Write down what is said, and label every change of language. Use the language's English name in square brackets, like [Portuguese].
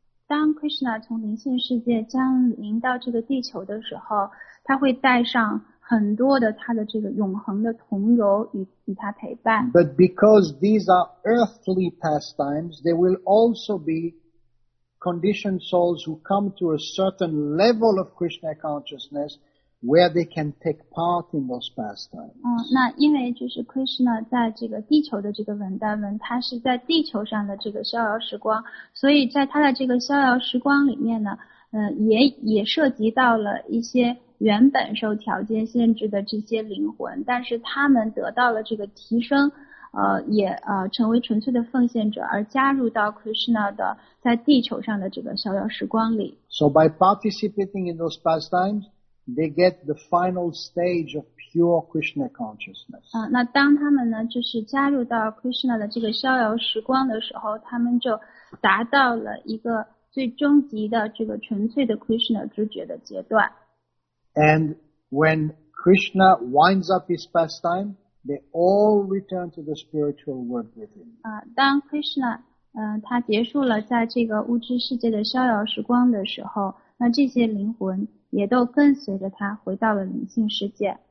[Chinese] 当 Krishna 从灵性世界降临到这个地球的时候，他会带上很多的他的这个永恒的同游与他陪伴。But [English] because these are earthly pastimes, there will also be conditioned souls who come to a certain level of Krishna consciousness where they can take part in those pastimes. [Chinese] 那因为就是 Krishna 在这个地球的这个 Vrindavan, 他是在地球上的这个逍遥时光，所以在他的这个逍遥时光里面呢，也涉及到了一些原本受条件限制的这些灵魂，但是他们得到了这个提升，也成为纯粹的奉献者，而加入到 Krishna 的在地球上的这个逍遥时光里. [English] So by participating in those pastimes, they get the final stage of pure Krishna consciousness. [Chinese] 那当他们呢，就是加入到 Krishna 的这个逍遥时光的时候，他们就达到了一个最终极的这个纯粹的 Krishna 知觉的阶段. [English] And when Krishna winds up his pastime, they all return to the spiritual world with him. [Chinese] 当 Krishna 他结束了在这个物质世界的逍遥时光的时候，那这些灵魂 也都跟随着他回到了灵性世界.